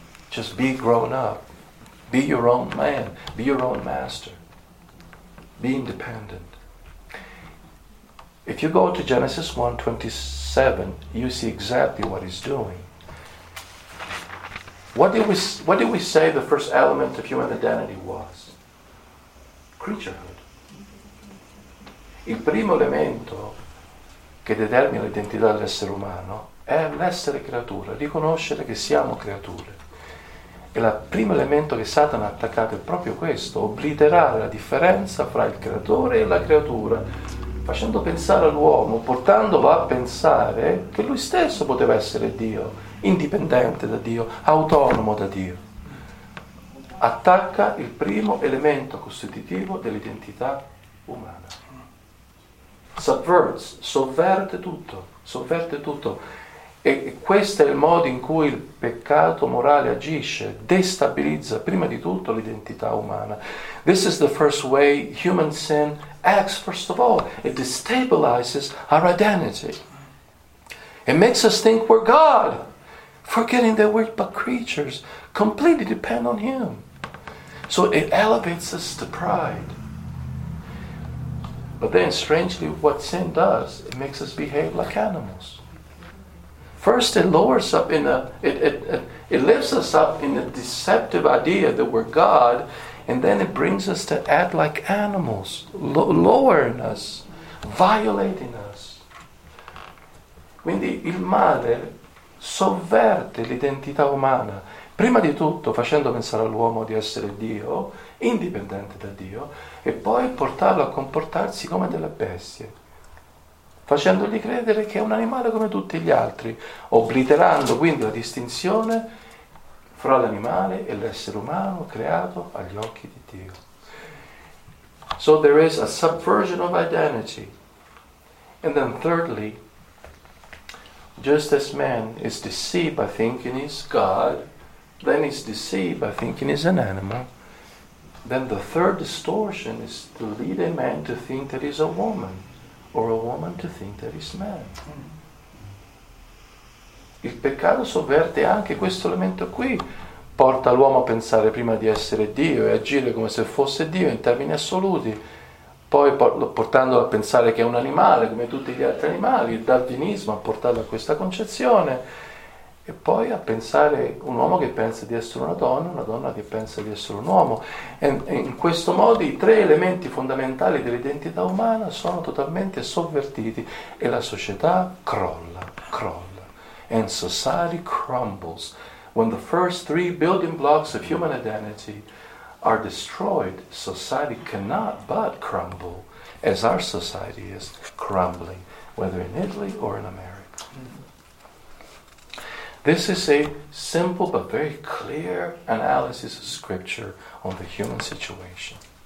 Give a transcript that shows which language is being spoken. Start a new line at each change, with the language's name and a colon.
English: Just be grown up. Be your own man. Be your own master. Be independent. If you go to Genesis 1:27, you see exactly what he's doing. What did we say the first element of human identity was? Creaturehood.
Italian: Il primo elemento che determina l'identità dell'essere umano è l'essere creatura, riconoscere che siamo creature. E il primo elemento che Satana ha attaccato è proprio questo, obliterare la differenza fra il creatore e la creatura, facendo pensare all'uomo, portandolo a pensare che lui stesso poteva essere Dio, indipendente da Dio, autonomo da Dio. Attacca il primo elemento costitutivo dell'identità umana. Subverts, sovverte tutto. E questo è il modo in cui il peccato morale agisce, destabilizza prima di tutto l'identità umana.
English: This is the first way human sin acts, first of all. It destabilizes our identity. It makes us think we're God, forgetting that we're but creatures, completely depend on Him. So it elevates us to pride. But then, strangely, what sin does, it makes us behave like animals. First, it lowers up it lifts us up in a deceptive idea that we're God, and then it brings us to act like animals, lowering us, violating us.
Italian: Quindi il male sovverte l'identità umana, prima di tutto facendo pensare all'uomo di essere Dio, indipendente da Dio, e poi portarlo a comportarsi come delle bestie, facendogli credere che è un animale come tutti gli altri, obliterando quindi la distinzione fra l'animale e l'essere umano creato agli occhi di Dio.
English: So there is a subversion of identity. And then thirdly, just as man is deceived by thinking he's God, then he's deceived by thinking he's an animal, then the third distortion is to lead a man to think that he's a woman, or a woman to think that he's man.
Italian: Il peccato sovverte anche questo elemento qui, porta l'uomo a pensare prima di essere Dio e agire come se fosse Dio in termini assoluti. Poi portandolo a pensare che è un animale come tutti gli altri animali, il darwinismo ha portato a questa concezione, e poi a pensare un uomo che pensa di essere una donna che pensa di essere un uomo. E in questo modo i tre elementi fondamentali dell'identità umana sono totalmente sovvertiti e la società crolla, crolla.
English: And society crumbles. When the first three building blocks of human identity are destroyed, society cannot but crumble, as our society is crumbling, whether in Italy or in America. This is a simple but very clear analysis of scripture on the human situation.